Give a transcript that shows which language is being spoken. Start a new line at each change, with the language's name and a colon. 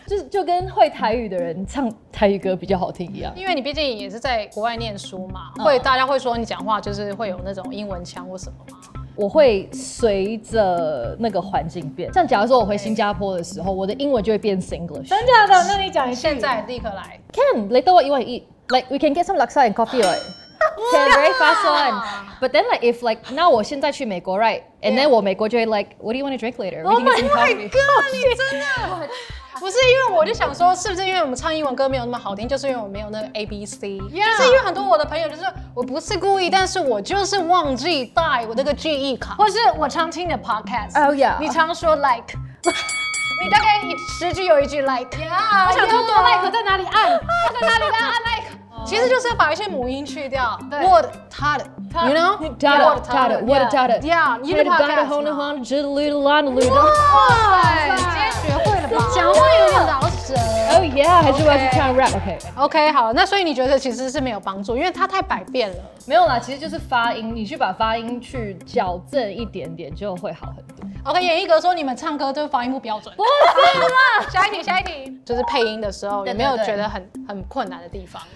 Chinese: 就跟会台语的人唱台语歌比较好听一样，因为你毕竟也是在国外念书嘛，会、大家会说你讲话就是会有那种英文腔或什么吗？我会随着那个环境变，像假如说我回新加坡的时候，我的英文就会变 Singlish。真假的？那你讲一下，现在立刻来。
English: Can later what you want to eat? Like we can get some laksa and coffee, right? Can very fast one. But then like if like now
Chinese: 我现在去美国
English: right? And then
Chinese: 我美国就会
English: like what do you want to drink later? Oh my god!
Chinese: 你真的？不是因为我就想说，是不是因为我们唱英文歌没有那么好听，就是因为我没有那个 A B C， 就是因为很多我的朋友就是我不是故意，但是我就是忘记带我那个记忆卡，或是我常听的 podcast，
English: 哦、oh, yeah，
Chinese: 你常说 like，你大概十句有一句 like，
English: yeah，
Chinese: 我想说多 like 在哪里按，在哪里要按 like。其实就是要把一些母音去掉 ，
English: word tada， you know， tada tada word tada， yeah， you need to get hold of on the little line little。
Chinese: 哇，今天学会了吧？讲话有点饶舌。
English: Oh yeah，
Chinese: 还是我要去唱 rap， OK。 OK， 好，那所以你觉得其实是没有帮助，因为它太百变了。没有啦，其实就是发音，你去把发音去矫正一点点，就会好很多。 OK， 演艺格说你们唱歌就发音不标准。不是啦，下一题，下一题。就是配音的时候有没有觉得很困难的地方？